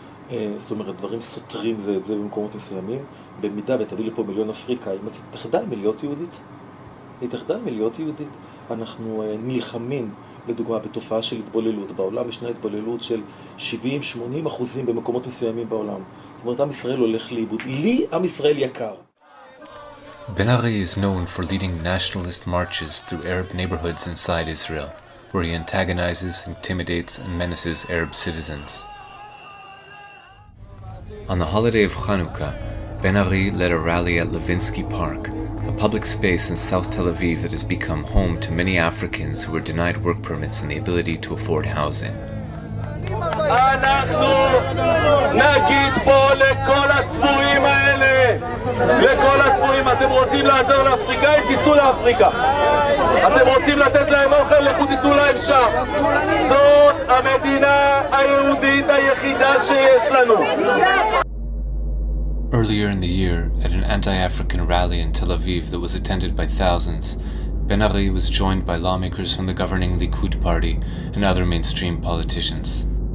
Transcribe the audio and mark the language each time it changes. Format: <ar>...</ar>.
<he>זאת אומרת, דברים סותרים זה את זה במקומות מסוימים. במידה ותביא לפה מיליון אפריקה, אם את תחדל מלהיות יהודית, אנחנו נלחמים. לדוגמה, בתופעה של התבוללות. בעולם ישנה התבוללות של 70-80% במקומות מסוימים בעולם. זאת אומרת, עם ישראל הולך לאיבוד. לי עם ישראל יקר.</he> <en>Ben-Ari is known for leading nationalist marches through Arab neighborhoods inside Israel, where he antagonizes, intimidates, and menaces Arab citizens. On the holiday of Hanukkah, Ben-Ari led a rally at Levinsky Park, a public space in South Tel Aviv that has become home to many Africans who were denied work permits and the ability to afford housing.</en> <he>אנחנו נגיד פה לכל הצבועים האלה, לכל הצבועים, אתם רוצים לעזור לאפריקה, אם תיסו לאפריקה. אתם רוצים לתת להם אוכל, לכו תיתנו להם שם. זאת המדינה היהודית היחידה שיש לנו.</he> <en>Earlier in the year, at an anti-African rally in Tel Aviv that was attended by thousands, Ben-Ari was joined by lawmakers from the governing Likud party and other mainstream politicians.</en>